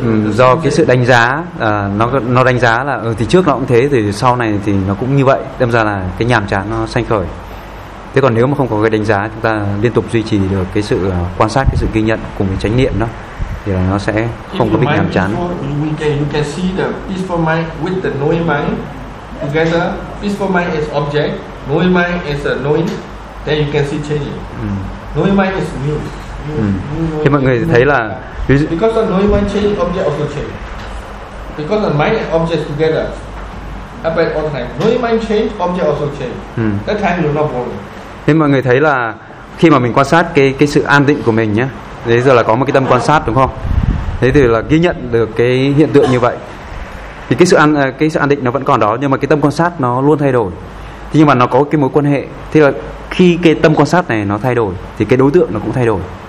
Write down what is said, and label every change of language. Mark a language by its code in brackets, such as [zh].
[vi] do cái sự đánh giá, nó đánh giá là thì trước nó cũng thế, thì sau này thì nó cũng như vậy, đâm ra là cái nhàm chán nó sanh khởi. Thế còn nếu mà không có cái đánh giá, chúng ta liên tục duy trì được cái sự quan sát, cái sự ghi nhận cùng với chánh niệm đó, thì là nó sẽ không có bị nhàm chán. [en] You can see the peaceful mind with the knowing mind together. Peaceful mind is object, knowing mind is a knowing. Then you can see changing. Knowing mind is new. [vi] Thì mọi người thấy là [en] because the knowing mind change, object also change. Because the mind and object together happen all time. Knowing mind change, object also change. That time you're not boring. [vi] Thì mọi người thấy là khi mà mình quan sát cái sự an tĩnh của mình nhé. Thế giờ là có một cái tâm quan sát, đúng không? Thế thì là ghi nhận được cái hiện tượng như vậy, thì cái sự an định nó vẫn còn đó, nhưng mà cái tâm quan sát nó luôn thay đổi. Thế nhưng mà nó có cái mối quan hệ, thế là khi cái tâm quan sát này nó thay đổi thì cái đối tượng nó cũng thay đổi.